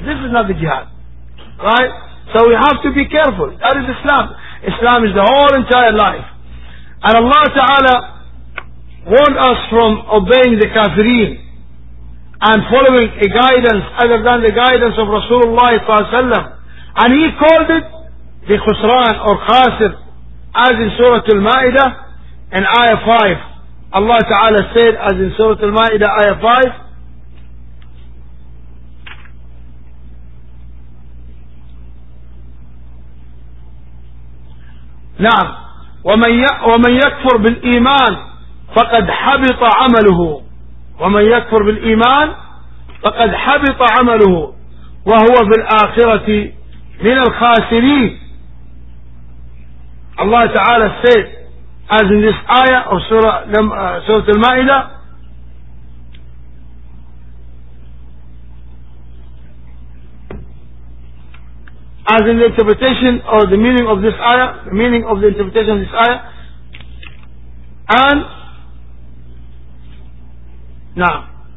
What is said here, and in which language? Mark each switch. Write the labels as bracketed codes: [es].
[en] This is not the jihad. Right? So we have to be careful. That is Islam. Islam is the whole entire life. And Allah Ta'ala warned us from obeying the kafirin and following a guidance other than the guidance of Rasulullah ﷺ. And he called it [ar] بخسران أو خاسر. As in سورة المائدة in آية 5 الله تعالى [en] said as in [ar] سورة المائدة آية 5 نعم ومن يكفر بالإيمان فقد حبط عمله ومن يكفر بالإيمان فقد حبط عمله وهو في الآخرة من الخاسرين. [en] الله تعالى said as in this ayah or سورة المائدة as in the interpretation or the meaning of this ayah, the meaning of the interpretation of this ayah, and now